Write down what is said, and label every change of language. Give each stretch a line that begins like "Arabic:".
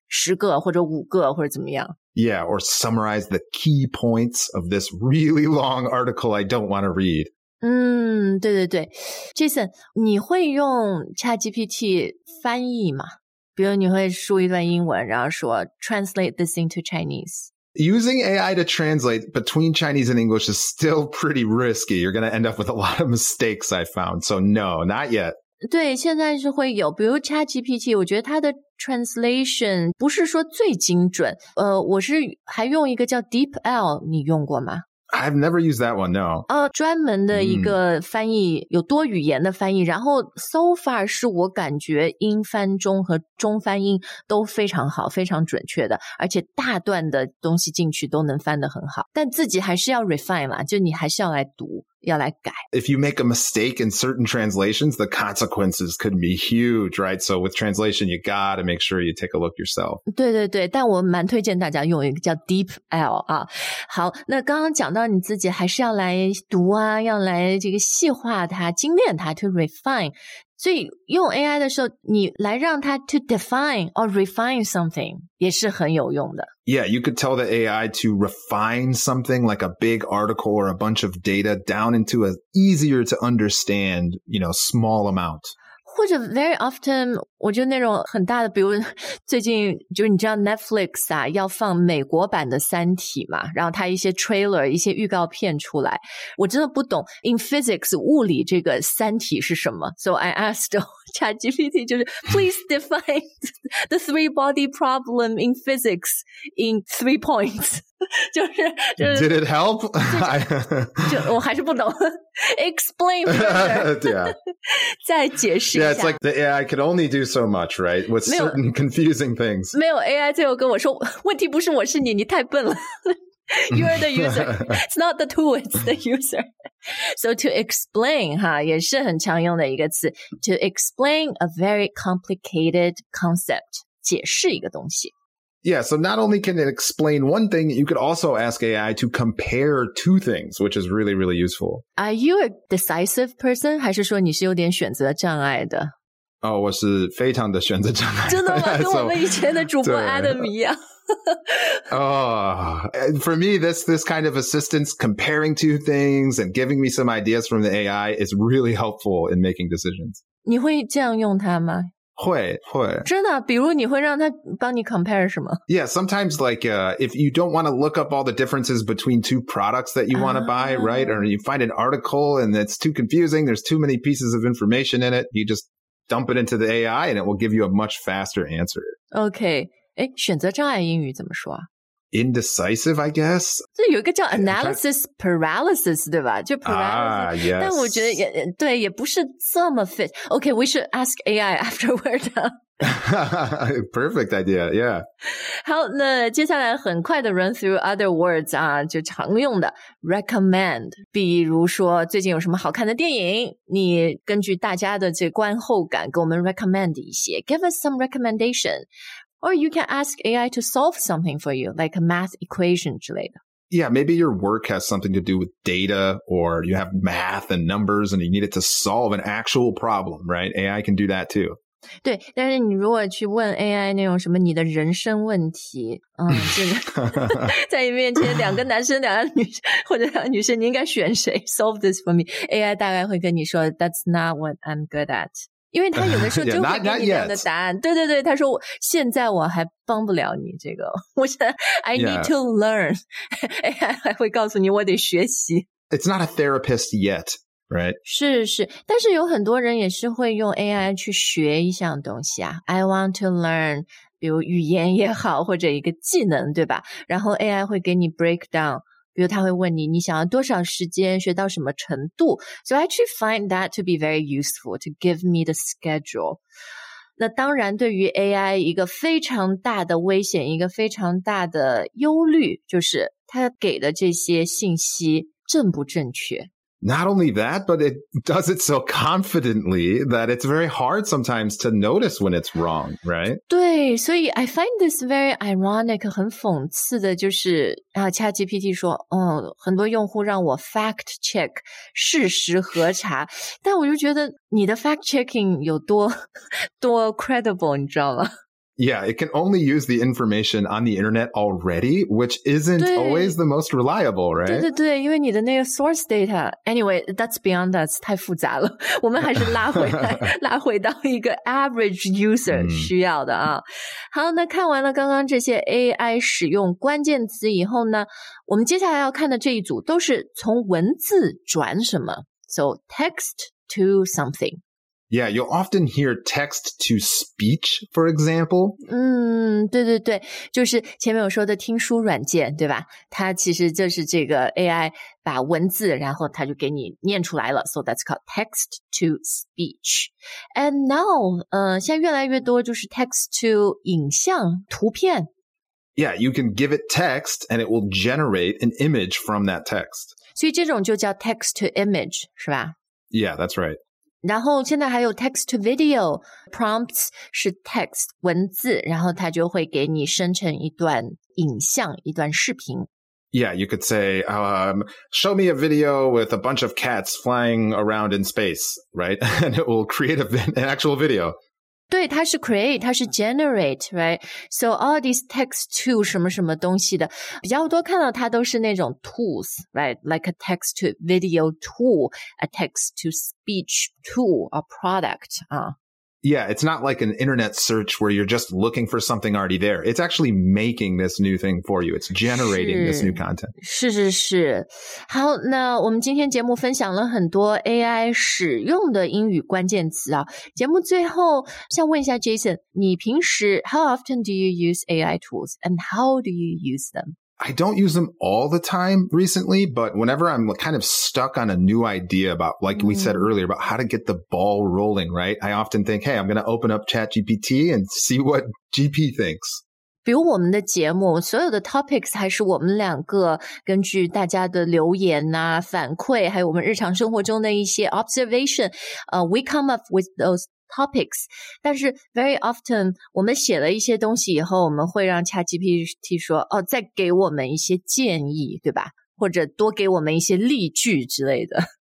Chinese: 十个或者五个或者怎么样
English: Yeah, or summarize the key points of this really long article I don't want to read.
Chinese: 对对对。 Jason, 你会用 ChatGPT 翻译吗？比如你会输一段英文然后说
English: translate this into Chinese. Using AI to translate between Chinese and English is still pretty risky. You're going to end up with a lot of mistakes I found. So no, not yet.
Chinese: 对，现在是会有，比如 ChatGPT, 我觉得它的 translation 不是说最精准。我是还用一个叫 DeepL, 你用过吗？
English: I've never used that one, no.
Chinese: 专门的一个翻译，有多语言的翻译，然后
English: so far
Chinese: 是我感觉英翻中和中翻英都非常好，非常准确的，而且大段的东西进去都能翻得很好。但自己还是要 refine 嘛，就你还是要来读。要来改。
English: If you make a mistake in certain translations, the consequences could be huge, right? So with translation, you gotta make sure you take a look yourself.
Chinese: 对对对，但我蛮推荐大家用一个叫 DeepL 啊。好，那刚刚讲到你自己还是要来读啊，要来这个细化它，精炼它 ，
English: to refine。
Chinese: 所以用 AI 的时候，你来让它
English: to define or refine something
Chinese: 也是很有用的。
English: Yeah, you could tell the AI to refine something like a big article or a bunch of data down into an easier to understand, you know, small amount.
Chinese: 或者
English: very often,
Chinese: 我觉得那种很大的，比如最近就你知道 Netflix 啊，要放美国版的《三体》嘛，然后它一些 trailer, 一些预告片出来，我真的不懂
English: in physics,
Chinese: 物理这个《三体》是什么。
English: So I asked ChatGPT, 就是 please define the three body problem in physics in 3 points.
Chinese: 就是、
English: Did it help?
Chinese: 就我还是不懂。
English: Explain further. Yeah.
Chinese: 再解释一下。
English: Yeah, it's like the AI could only do so much, right? With certain confusing things.
Chinese: 没有 AI 最后跟我说问题不是我是你你太笨了。
English: You're the user. It's not the tool, it's the user. So to explain,
Chinese: 哈也是很常用的一个词。
English: To explain a very complicated concept.
Chinese: 解释一个东西。
English: Yeah, so not only can it explain one thing, you could also ask AI to compare two things, which is really, really useful. Are you a decisive person?
Chinese: 还是说你是有点选择障碍的？哦，我是非常的选择障碍。真的吗？跟我们以前的主播 Adam 一样。
English: For me, this kind of assistance, comparing two things and giving me some ideas from the AI is really helpful in making decisions.
Chinese: 你会这样用它吗？会会真的比如你会让他帮你 compare 什么
English: Yeah, sometimes like, if you don't want to look up all the differences between two products that you want to buy, right? Or you find an article and it's too confusing, there's too many pieces of information in it, you just dump it into the AI and it will give you a much faster answer. Okay.
Chinese: 诶选择障碍英语怎么说啊
English: Indecisive, I guess.
Chinese: 这有一个叫 analysis paralysis, 对吧就 paralysis.
English: 啊、ah, yes.
Chinese: 但我觉得也对也不是这么 fit.
English: Okay, we should ask AI afterward. Perfect idea, yeah.
Chinese: 好那接下来很快的
English: run through other words,
Chinese: 啊就常用的 recommend. 比如说最近有什么好看的电影你根据大家的这观后感给我们 recommend 一些
English: Give us some recommendation. Or you can ask AI to solve something for you, like a math equation
Chinese: 之类的。
English: Yeah, maybe your work has something to do with data, or you have math and numbers, and you need it to solve an actual problem, right? AI can do that too.
Chinese: 对，但是你如果去问 AI 那种什么你的人生问题，在你面前两个男生、两个女生或者两个女生，你应该选谁 ？
English: Solve this for me.
Chinese: AI 大概会跟你说 ，
English: That's not what I'm good at.
Chinese: 因为他有的时候就会给你这样的答案
English: yeah,
Chinese: 对对对他说现在我还帮不了你这个我想
English: I need、yeah. to learn
Chinese: AI 还会告诉你我得学习
English: It's not a therapist yet, right?
Chinese: 是是但是有很多人也是会用 AI 去学一项东西啊
English: I want to learn
Chinese: 比如语言也好或者一个技能对吧然后 AI 会给你 break down比如他会问你你想要多少时间学到什么程度
English: So I actually find that to be very useful to give me the schedule
Chinese: 那当然对于 AI 一个非常大的危险一个非常大的忧虑就是他给的这些信息正不正确
English: Not only that, but it does it so confidently that it's very hard sometimes to notice when it's wrong, right?
Chinese: 对所以
English: I find this very ironic
Chinese: 很讽刺的就是啊 ,ChatGPT 说嗯很多用户让我 fact check, 事实核查。但我就觉得你的 fact checking 有多 credible, 你知道吗
English: Yeah, it can only use the information on the internet already, which isn't always the most reliable, right?
Chinese: 对对对因为你的那个
English: source data, anyway, that's beyond us,
Chinese: 太复杂了。我们还是拉回来拉回到一个 average user 需要的啊。好那看完了刚刚这些 AI 使用关键词以后呢我们接下来要看的这一组都是从文字转什么。
English: So, text to something. Yeah, you'll often hear text to speech, for example.
Chinese: 对对对就是前面我说的听书软件对吧它其实就是这个 AI 把文字然后它就给你念出来了
English: So that's called text to speech. And now,
Chinese: 现在越来越多就是 text to 影像图片。
English: Yeah, you can give it text and it will generate an image from that text.
Chinese: 所以这种就叫 text to image, 是吧
English: Yeah, that's right.
Chinese: 然后现在还有 text to video, prompts 是 text, 文字然后它就会给你生成一段影像一段视频。
English: Yeah, you could say, show me a video with a bunch of cats flying around in space, right? And it will create an actual video.
Chinese: 对它是 create, 它是 generate, right?
English: So all these text to
Chinese: 什么什么东西的比较多看到它都是那种 tools, right?
English: Like a text to video tool, a text to speech tool, a product, Yeah, it's not like an internet search where you're just looking for something already there. It's actually making this new thing for you. It's generating this new content.
Chinese: 是是是。好，那我们今天节目分享了很多 AI 使用的英语关键词啊。节目最后想问一下
English: Jason,
Chinese: 你平时
English: how often do you use AI tools and how do you use them? I don't use them all the time recently, but whenever I'm kind of stuck on a new idea about, like we said earlier, about how to get the ball rolling, right? I often think, hey, I'm going to open up ChatGPT and see what GP thinks.
Chinese: 比如我们的节目,所有的 topics 还是我们两个根据大家的留言啊,反馈,还有我们日常生活中的一些 observation,
English: we come up with those.
Chinese: Topics, 但是
English: very often
Chinese: 我们写了一些东西以后我们会让 ChatGPT 说哦，再给我们一些建议对吧或者多给我们一些例句之类的